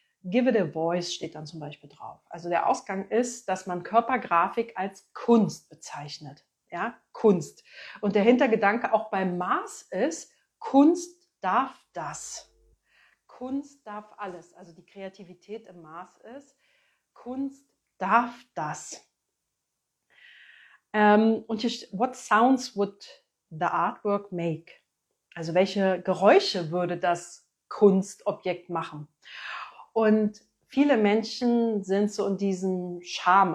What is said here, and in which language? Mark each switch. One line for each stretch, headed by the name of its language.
English: Give it a voice
German: steht dann zum Beispiel drauf. Also der Ausgang ist, dass man Körpergrafik als Kunst bezeichnet. Ja, Kunst. Und der Hintergedanke auch beim Mars ist, Kunst darf das. Kunst darf alles. Also die Kreativität im Mars ist, Kunst darf das. Und hier,
English: what sounds would the artwork make?
German: Also welche Geräusche würde das Kunstobjekt machen? Und viele Menschen sind so in diesem Charme.